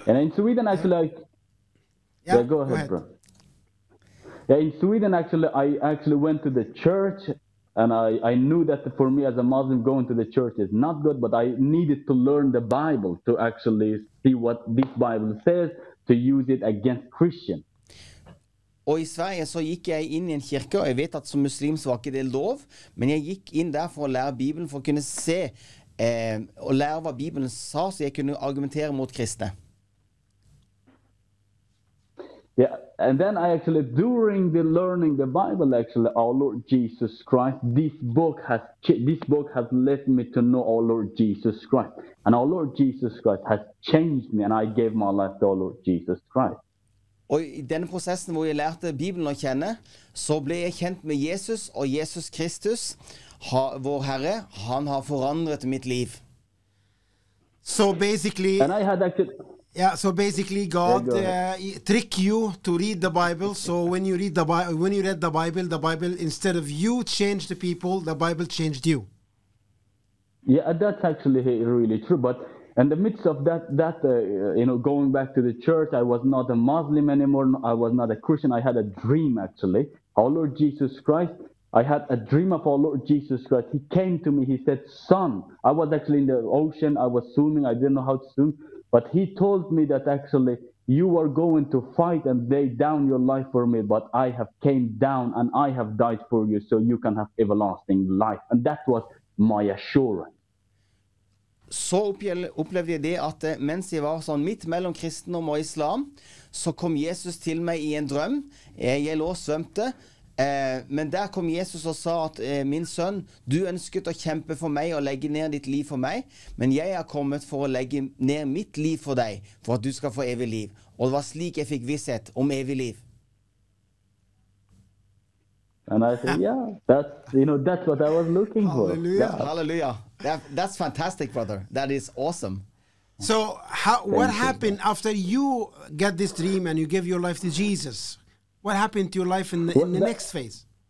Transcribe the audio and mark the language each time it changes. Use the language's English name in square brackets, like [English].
[English] And in Sweden, actually, go ahead, bro. Yeah, in Sweden, actually, I actually went to the church, and I knew that for me as a Muslim, going to the church is not good, but I needed to learn the Bible to actually see what this Bible says, to use it against Christian. [Norwegian] Og i Sverige så gikk jeg inn i en kirke, og jeg vet at som muslim så var ikke det lov, men jeg gikk inn der for å lære Bibelen, for å kunne se og lære hva Bibelen sa, så jeg kunne argumentere mot kristne. [English] Yeah, and then I actually, during the learning the Bible actually, our Lord Jesus Christ, this book has led me to know our Lord Jesus Christ. And our Lord Jesus Christ has changed me, and I gave my life to our Lord Jesus Christ. [Norwegian] Og i denne prosessen hvor jeg lærte Bibelen å kjenne, så ble jeg kjent med Jesus, og Jesus Kristus, vår Herre, han har forandret mitt liv. [English] So basically... And I had actually... Yeah, so basically God trick you to read the Bible. So when you read the Bible, when you read the Bible instead of you changed the people, the Bible changed you. Yeah, that's actually really true. But in the midst of that, going back to the church, I was not a Muslim anymore. I was not a Christian. I had a dream actually. Our Lord Jesus Christ. I had a dream of our Lord Jesus Christ. He came to me. He said, "Son," I was actually in the ocean. I was swimming. I didn't know how to swim. But he told me that actually you are going to fight and lay down your life for me, but I have came down and I have died for you so you can have everlasting life. And that was my assurance. [Norwegian] Så opplevde jeg det at mens jeg var sånn midt mellom kristendom og islam, så kom Jesus til meg i en drøm. Jeg lå og svømte, Men der kom Jesus og sa at min sønn, du ønsket å kjempe for meg og legge ned ditt liv for meg, men jeg har kommet for å legge ned mitt liv for deg, for at du skal få evig liv. Og det var slik jeg fikk visshet om evig liv. [English] And I said, yeah, that's, you know, that's what I was looking for. Hallelujah. Yeah. Hallelujah. That's fantastic, brother. That is awesome. So how, what happened after you get this dream and you give your life to Jesus? What happened to your life in the next phase?